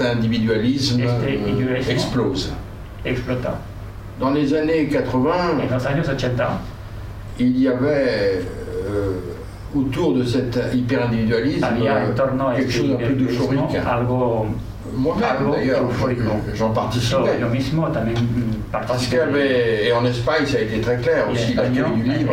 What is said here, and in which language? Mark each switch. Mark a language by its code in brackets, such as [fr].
[fr] individualisme explose. [es] Explota. [fr] Dans les années 80, [es] en los años 80, [fr] il y avait autour de cet hyper-individualisme quelque chose d'un peu d'euphorique. Moi-même d'ailleurs, j'en participais. [es] Yo mismo también participé. [fr] Et en Espagne, ça a été très clair aussi, l'accueil du livre.